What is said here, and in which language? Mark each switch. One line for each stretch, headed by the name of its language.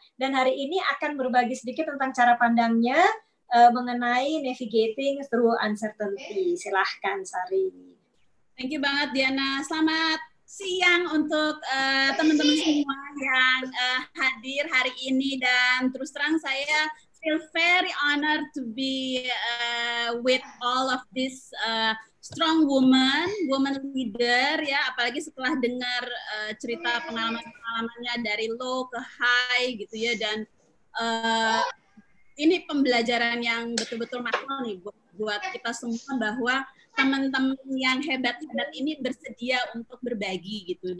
Indonesian: Dan hari ini akan berbagi sedikit tentang cara pandangnya mengenai
English: navigating through uncertainty.
Indonesian: Silahkan, Sari.
English: Thank you
Indonesian: banget,
English: Diana.
Indonesian: Selamat siang untuk teman-teman semua yang hadir hari ini. Dan terus terang saya
English: feel very honored to be with all of this strong woman, woman leader
Indonesian: ya. Apalagi setelah dengar cerita pengalaman-pengalamannya dari low ke high gitu ya. Dan ini pembelajaran yang betul-betul maknanya nih buat kita semua, bahwa teman-teman yang hebat-hebat ini bersedia untuk berbagi gitu.